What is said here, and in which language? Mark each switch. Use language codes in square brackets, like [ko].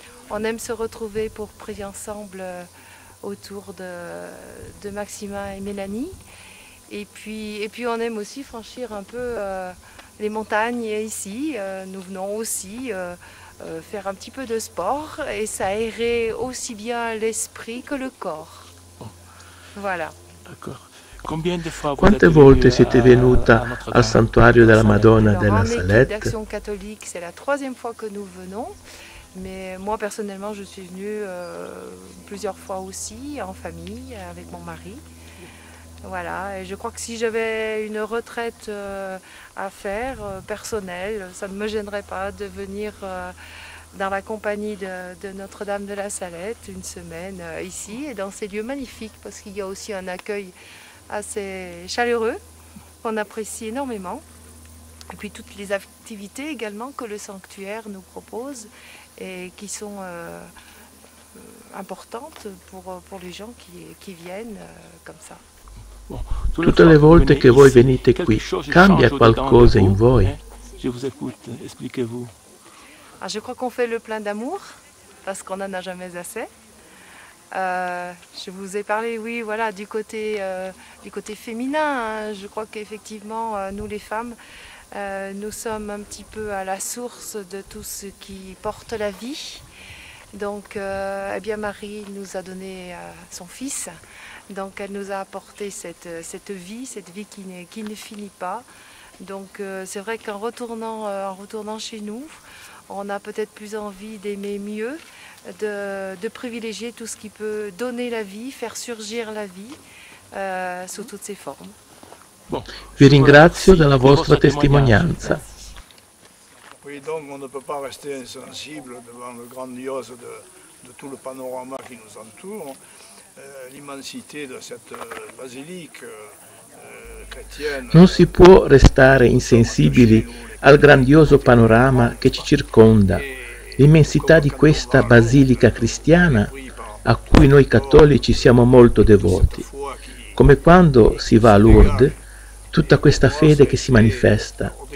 [fr] On aime se retrouver pour prier ensemble autour de Maximin et Mélanie. Et puis on aime aussi franchir un peu les montagnes ici. Nous venons aussi faire un petit peu de sport, et ça aérer aussi bien l'esprit que le corps. Voilà. D'accord. [it] Quante volte siete venuta al santuario della Madonna della Salette? [fr] Alors, en équipe d'Action catholique, c'est la troisième fois que nous venons. Mais moi personnellement, je suis venue plusieurs fois aussi en famille avec mon mari. Voilà, et je crois que si j'avais une retraite à faire, personnelle, ça ne me gênerait pas de venir dans la compagnie de Notre-Dame de la Salette une semaine ici et dans ces lieux magnifiques, parce qu'il y a aussi un accueil assez chaleureux qu'on apprécie énormément. Et puis toutes les activités également que le sanctuaire nous propose et qui sont importantes pour les gens qui viennent comme ça. [it] Tutte le volte che voi venite qui, cambia qualcosa in voi? [fr] Je vous écoute, expliquez-vous. Ah, je crois qu'on fait le plein d'amour, parce qu'on n'en a jamais assez. Je vous ai parlé, oui, voilà, du côté féminin. Hein. Je crois qu'effectivement, nous les femmes, nous sommes un petit peu à la source de tout ce qui porte la vie. Donc, eh bien, Marie nous a donné son fils. Donc, elle nous a apporté cette vie qui ne finit pas. Donc, c'est vrai qu'en retournant chez nous, on a peut-être plus envie d'aimer mieux, de privilégier tout ce qui peut donner la vie, faire surgir la vie sous toutes ses formes. [it] Vi ringrazio della vostra testimonianza. [fr] Oui, donc on ne peut pas rester insensible devant le grandiose de tout le panorama qui nous entoure, l'immensité de cette basilique chrétienne. [it] Non si può restare insensibili al grandioso panorama che ci circonda, l'immensità di questa basilica cristiana a cui noi cattolici siamo molto devoti, come quando si va a Lourdes, tutta questa fede che si manifesta.